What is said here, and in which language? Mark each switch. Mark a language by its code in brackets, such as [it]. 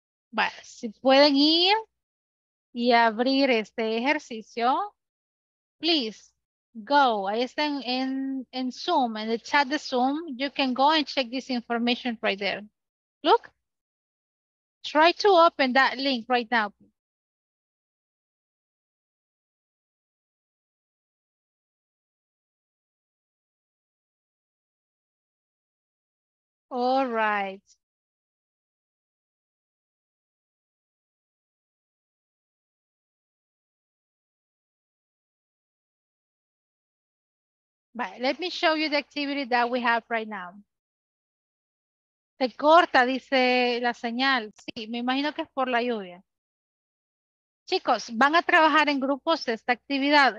[es] Bueno, si pueden ir y abrir este ejercicio, [en] please go. [es] Ahí está en Zoom, en el chat de Zoom. [en] You can go and check this information right there. Look. Try to open that link right now. All right. But let me show you the activity that we have right now. [es] Se corta, dice la señal. Sí, me imagino que es por la lluvia. Chicos, van a trabajar en grupos esta actividad.